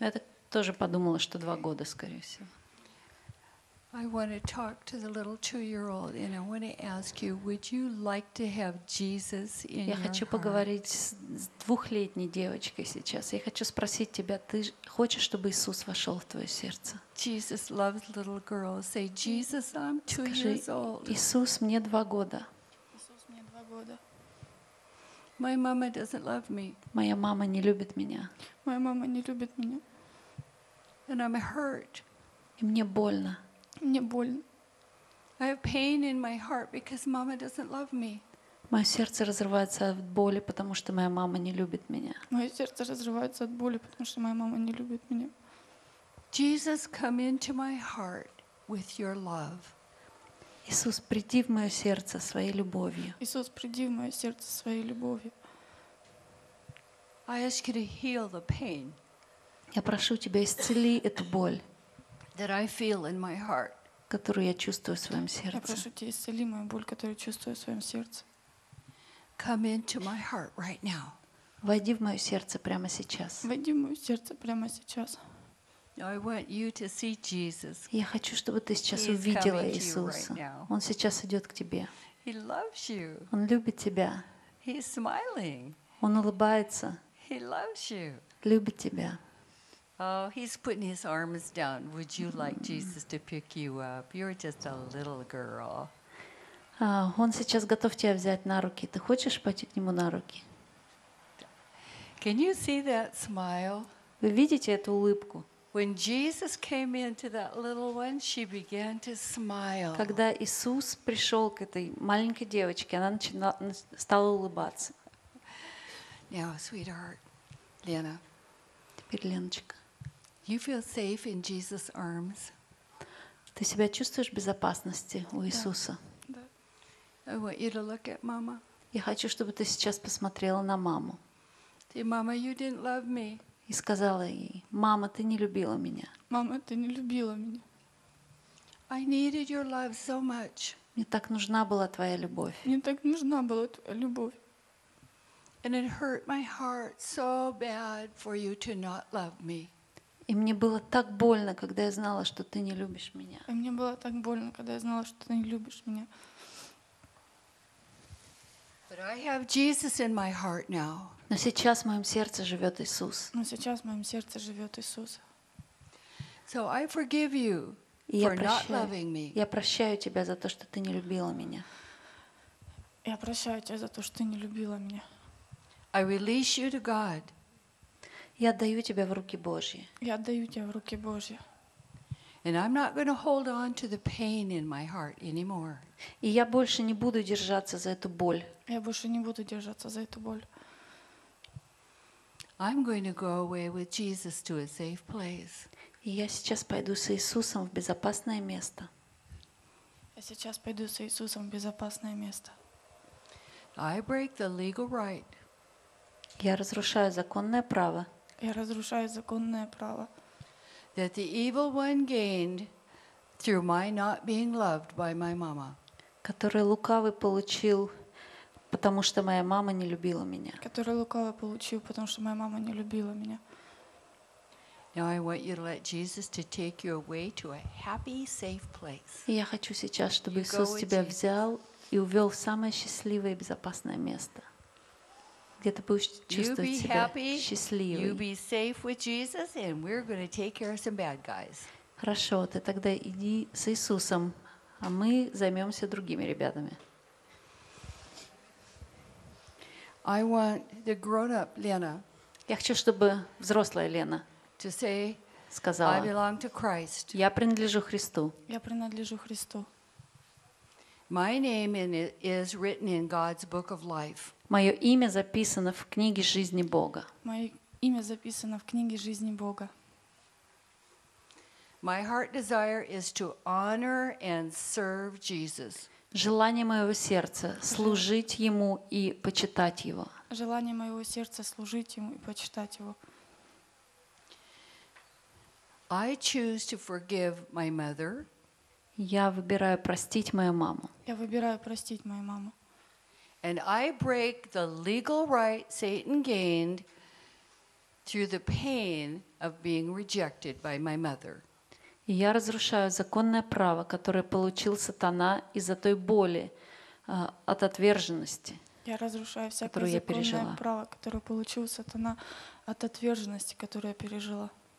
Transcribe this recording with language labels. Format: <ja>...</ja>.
<ru>Я так тоже подумала, что 2 года, скорее всего.</ru> <en>I want to talk to the little 2-year-old and I want to ask you, would you like to have Jesus in your heart?</en> <ru>Я хочу поговорить с 2-летней девочкой сейчас. Я хочу спросить тебя, ты хочешь, чтобы Иисус вошёл в твоё сердце?</ru> <en>Jesus loves little girls. Say, Jesus, I'm 2 years old.</en> <ru>Иисус, мне 2 года. Иисус, мне 2 года.</ru> <en>My mama doesn't love me.</en> <ru>Моя мама не любит меня. Моя мама не любит меня.</ru> <en>And I'm hurt.</en> <ru>И мне больно. Мне больно.</ru> <en>I have pain in my heart because mama doesn't love me.</en> <ru>Моё сердце разрывается от боли, потому что моя мама не любит меня. Моё сердце разрывается от боли, потому что моя мама не любит меня.</ru> <en>Jesus, come into my heart with your love.</en> <ru>Иисус, приди в моё сердце своей любовью. Иисус, приди в моё сердце своей любовью.</ru> <en>I ask you to heal the pain.</en> <ru>Я прошу тебя, исцели эту боль.</ru> <en>That I feel in my heart.</en> <ru>Которую я чувствую в своем сердце. Я прошу тебя, исцели мою боль, которую я чувствую в своем сердце.</ru> <en>Come into my heart right now.</en> <ru>Войди в мое сердце прямо сейчас. Войди в мое сердце прямо сейчас.</ru> <en>I want you to see Jesus.</en> <ru>Я хочу, чтобы ты сейчас увидела Иисуса. Он сейчас идет к тебе.</ru> <en>He loves you.</en> <ru>Он любит тебя.</ru> <en>He's smiling.</en> <ru>Он улыбается.</ru> <en>He loves you.</en> <ru>Любит тебя.</ru> <en>Oh, he's putting his arms down. Would you like Jesus to pick you up? You're just a little girl.</en> <ru>Он сейчас готов тебя взять на руки. Ты хочешь пойти к нему на руки?</ru> <en>Can you see that smile?</en> <ru>Вы видите эту улыбку?</ru> <en>When Jesus came into that little one, she began to smile.</en> <ru>Когда Иисус пришел к этой маленькой девочке, она начала стала улыбаться.</ru> <en>Now, sweetheart, Lena.</en> <ru>Теперь Леночка.</ru> <en>You feel safe in Jesus' arms?</en> <ru>Ты себя чувствуешь в безопасности у Иисуса? Да.</ru> <en>I want you to look at Mama.</en> <ru>Я хочу, чтобы ты сейчас посмотрела на маму.</ru> <en>Say, Mama, you didn't love me.</en> <ru>И сказала ей: «Мама, ты не любила меня». Мама, ты не любила меня.</ru> <en>I needed your love so much.</en> <ru>Мне так нужна была твоя любовь. Мне так нужна была твоя любовь.</ru> <en>And it hurt my heart so bad for you to not love me.</en> <ru>И мне было так больно, когда я знала, что ты не любишь меня. И мне было так больно, когда я знала, что ты не любишь меня.</ru> <en>But I have Jesus in my heart now.</en> <ru>Но сейчас в моем сердце живет Иисус. Но сейчас в моем сердце живет Иисус.</ru> <en>So I forgive you for not loving me.</en> <ru>Я прощаю тебя за то, что ты не любила меня. Я прощаю тебя за то, что ты не любила меня.</ru> <en>I release you to God.</en> <ru>Я отдаю тебя в руки Божьи. Я отдаю тебя в руки Божьи.</ru> <en>And I'm not going to hold on to the pain in my heart anymore.</en> <ru>И я больше не буду держаться за эту боль. Я больше не буду держаться за эту боль.</ru> <en>I'm going to go away with Jesus to a safe place.</en> <ru>И я сейчас пойду с Иисусом в безопасное место. Я сейчас пойду с Иисусом в безопасное место.</ru> <en>I break the legal right.</en> <ru>Я разрушаю законное право. Я разрушаю законное право.</ru> <en>That the evil one gained through my not being loved by my mama.</en> <ru>Который лукавый получил, потому что моя мама не любила меня. Который лукавый получил, потому что моя мама не любила меня.</ru> <en>Now I want you to let Jesus to take you away to a happy, safe place.</en> <ru>Я хочу сейчас, чтобы Иисус тебя взял и увел в самое счастливое и безопасное место. Где ты будешь чувствовать себя счастливой.</ru> <en>You be safe with Jesus, and we're going to take care of some bad guys.</en> <ru>Хорошо, ты тогда иди с Иисусом, а мы займемся другими ребятами.</ru> <en>I want the grown-up Lena.</en> <ru>Я хочу, чтобы взрослая Лена сказала:</ru> <en>I belong to Christ.</en> <ru>Я принадлежу Христу. Я принадлежу Христу.</ru> <en>My name is written in God's book of life.</en> <ru>Мое имя записано в книге жизни Бога. Мое имя записано в книге жизни Бога.</ru> <en>My heart desire is to honor and serve Jesus.</en> <ru>Желание моего сердца служить Ему и почитать Его. Желание моего сердца служить Ему и почитать Его.</ru> <en>I choose to forgive my mother.</en> <ru>Я выбираю простить мою маму. Я выбираю простить мою маму.</ru> <en>And I break the legal right Satan gained through the pain of being rejected by my mother.</en> <ru>Я разрушаю законное право, которое получил сатана из-за той боли от отверженности. Я разрушаю всякое законное право, которое получил сатана от отверженности, которую я пережила.</ru>